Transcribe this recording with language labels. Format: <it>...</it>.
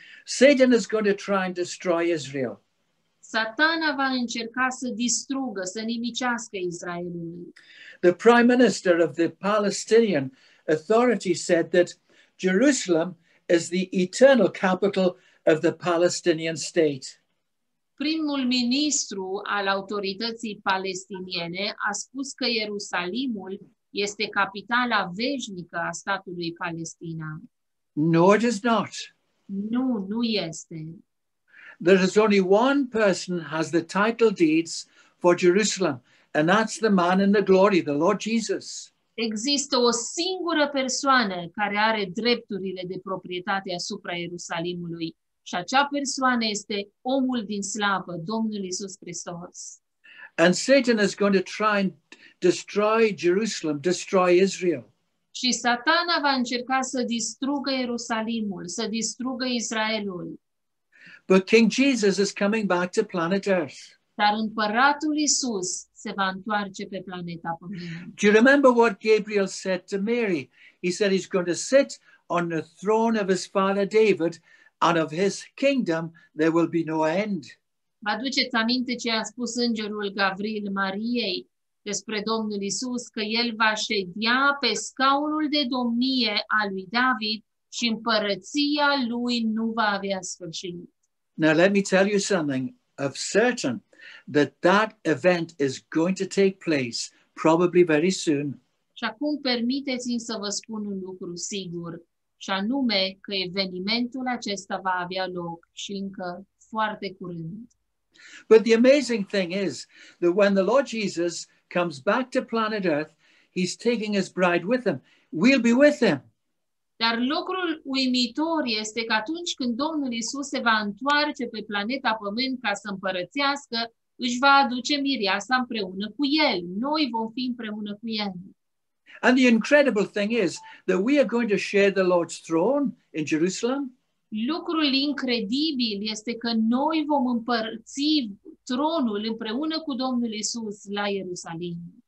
<en>Satan is going to try and destroy Israel.</en> <ro>Satana va încerca să distrugă, să nimicească Israelul.</ro> <en>The prime minister of the Palestinian Authority said that Jerusalem is the eternal capital of the Palestinian state.</en> <ro>primul ministru al autorității palestiniene a spus că Ierusalimul este capitala veșnică a statului Palestina.</ro> <en>No, it is not.</en> <ro>Nu, nu este.</ro> <en>There is only one person has the title deeds for Jerusalem, and that's the man in the glory, the Lord Jesus.</en> <ro>Există o singură persoană care are drepturile de proprietate asupra Ierusalimului și acea persoană este omul din slavă, Domnul Iisus Hristos.</ro> <en>And Satan is going to try and destroy Jerusalem, destroy Israel.</en> <ro>Și Satana va încerca să distrugă Ierusalimul, să distrugă Israelul.</ro> <en>But King Jesus is coming back to planet Earth.</en> <ro>Dar împăratul Iisus se va întoarce pe planeta Pământ.</ro> <en>Do you remember what Gabriel said to Mary? He said he's going to sit on the throne of his father David and of his kingdom there will be no end.</en> <ro>Vă aduceți aminte ce a spus îngerul Gavril Mariei despre Domnul Iisus, că el va ședea pe scaunul de domnie a lui David și împărăția lui nu va avea sfârșit.</ro> <en>Now let me tell you something of certain, that that event is going to take place probably very soon.</en> <ro>Și acum permiteți-mi să vă spun un lucru sigur, și anume că evenimentul acesta va avea loc și încă foarte curând.</ro> <en>But the amazing thing is that when the Lord Jesus comes back to planet Earth, he's taking his bride with him. We'll be with him.</en> <ro>Dar lucrul uimitor este că atunci când Domnul Iisus se va întoarce pe planeta Pământ ca să împărățească, își va aduce mireasa împreună cu el. Noi vom fi împreună cu el.</ro> <en>And the incredible thing is that we are going to share the Lord's throne in Jerusalem.</en> <ro>Lucrul incredibil este că noi vom împărți tronul împreună cu Domnul Iisus la Ierusalim.</ro>